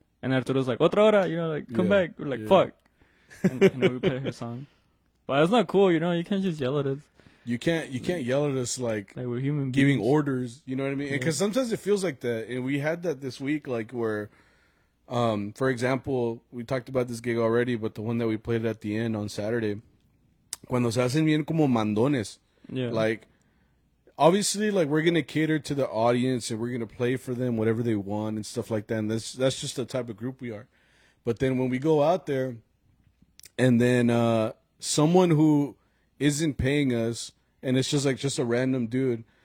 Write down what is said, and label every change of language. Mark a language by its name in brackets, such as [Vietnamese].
[English] And Arturo's like, [Spanish] otra hora, [English] you know, like, come back. We're like, fuck. And then we play her song. But that's not cool, you know? You can't just yell at us. You can't yell at us like we're human giving beings. Orders, you know what I mean? Because sometimes it feels like that. And we had that this week, like, where, for example, we talked about this gig already, but the one that we played at the end on Saturday. [Spanish] Cuando se hacen bien como mandones. [English] Yeah. Like, obviously, like, we're going to cater to the audience and we're going to play for them whatever they want and stuff like that. And that's just the type of group we are. But then when we go out there and then someone who isn't paying us and it's just, like, just a random dude.